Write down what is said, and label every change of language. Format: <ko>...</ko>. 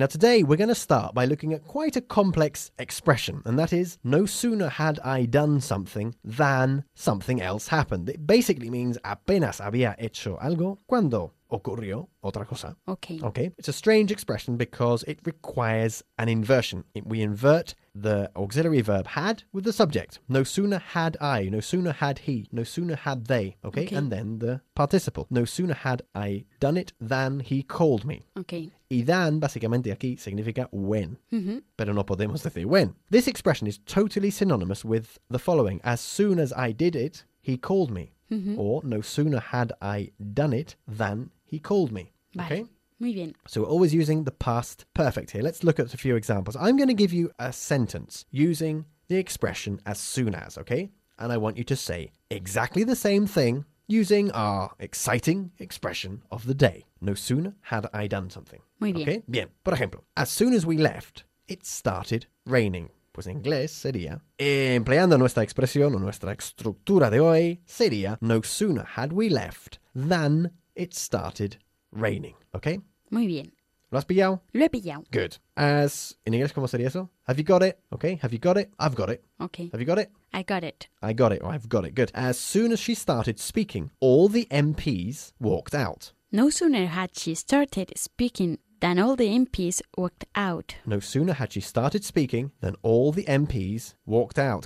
<en>Now, today we're going to start by looking at quite a complex expression, and that is, no sooner had I done something than something else happened. It basically means,</en> <es>apenas había hecho algo, cuando ocurrió otra cosa.</es> <en>Okay. Okay. It's a strange expression because it requires an inversion. We invert the auxiliary verb had with the subject. No sooner had I, no sooner had he, no sooner had they. Okay. And then the participle. No sooner had I done it than he called me. Okay.</en> <es>Y than, básicamente aquí, significa when. Mm-hmm. Pero no podemos decir when.</es> <en>This expression is totally synonymous with the following. As soon as I did it, he called me. Mm-hmm. Or, no sooner had I done it than he called me.</en> <es>Vale. Okay? Muy bien.</es> <en>So we're always using the past perfect here. Let's look at a few examples. I'm going to give you a sentence using the expression as soon as, okay? And I want you to say exactly the same thing using our exciting expression of the day. No sooner had I done something.</en> <es>Muy bien. Okay? Bien. Por ejemplo,</es> <en>as soon as we left, it started raining.</en> <es>Pues en inglés sería, empleando nuestra expresión o nuestra estructura de hoy, sería,</es> <en>no sooner had we left than it started raining. Okay?</en> <es>Muy bien. ¿Lo has pillado? Lo he pillado.</es> <en>Good.</en> <es>As, en inglés, ¿cómo sería eso?</es> <en>Have you got it? Okay. Have you got it? I've got it. Okay. Have you got it? I got it. I got it. Or I've got it. Good. As soon as she started speaking, all the MPs walked out. No sooner had she started speaking than all the MPs walked out. No sooner had she started speaking than all the MPs walked out.</en>